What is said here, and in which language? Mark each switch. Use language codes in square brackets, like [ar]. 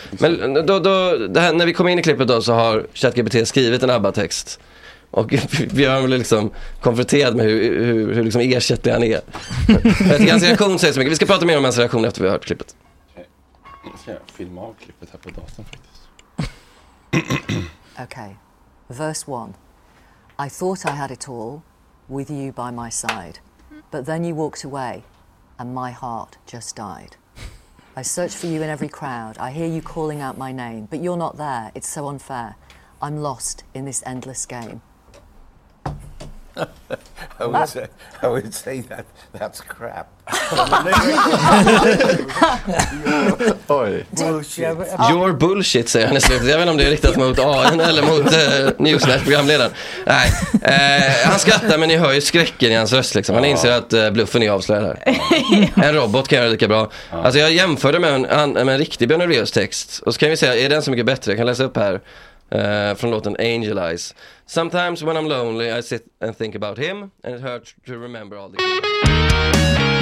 [sv] Men då, det här, när vi kom in i klippet då, så har ChatGPT skrivit en ABBA-text. Och Björn blir liksom konfronterad med hur liksom ersättlig han är. Det är hans reaktion säger så mycket. Vi ska prata mer om hans reaktion efter vi har hört klippet. Okay. Jag ska filma av klippet här på datorn faktiskt. [en] Okay, verse 1. I thought I had it all with you by my side. But then you walked away and my heart just died. I search for you in every crowd. I hear you calling out my name, but you're not there. It's so unfair. I'm lost in this endless game. I would say that that's crap. Your bullshit, [sv] säger han i slutet. Jag vet inte om det är riktat mot AI eller mot Newsnet-programledaren. Nej, han skrattar, men ni hör ju skräcken i hans röst liksom. Han inser att bluffen är avslöjad här. En robot kan göra lika bra. Alltså, jag jämförde med en riktig Björn Ulvaeus text. Och så kan vi säga, är den så mycket bättre? Jag kan läsa upp här från låten Angel Eyes. [en] Sometimes when I'm lonely I sit and think about him and it hurts to remember all the good.